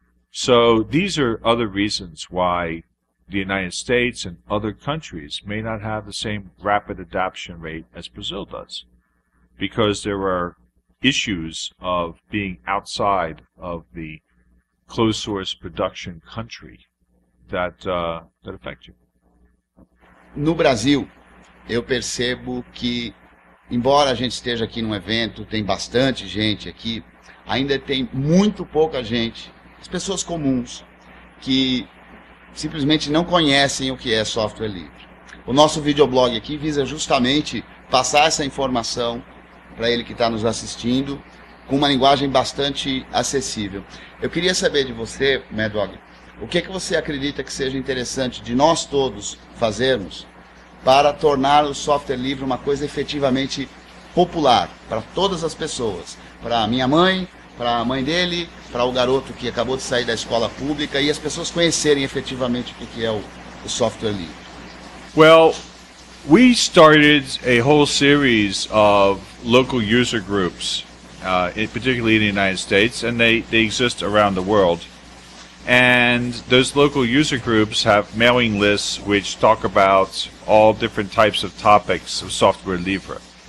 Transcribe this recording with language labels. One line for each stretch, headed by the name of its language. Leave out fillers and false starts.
English: So these are other reasons why the United States and other countries may not have the same rapid adoption rate as Brazil does, because there are issues of being outside of the closed source production country that affect you.
Portuguese: No Brasil, eu percebo que, embora a gente esteja aqui num evento, tem bastante gente aqui, ainda tem muito pouca gente, as pessoas comuns, que simplesmente não conhecem o que é software livre. O nosso videoblog aqui visa justamente passar essa informação para ele que está nos assistindo, com uma linguagem bastante acessível. Eu queria saber de você, Mad Dog, o que é que você acredita que seja interessante de nós todos fazermos para tornar o software livre uma coisa efetivamente popular para todas as pessoas, para a minha mãe, para a mãe dele, para o garoto que acabou de sair da escola pública e as pessoas conhecerem efetivamente o que é o software livre?
English: Well, we started a whole series of local user groups, particularly in the United States, and they exist around the world. And those local user groups have mailing lists which talk about all different types of topics of software livre.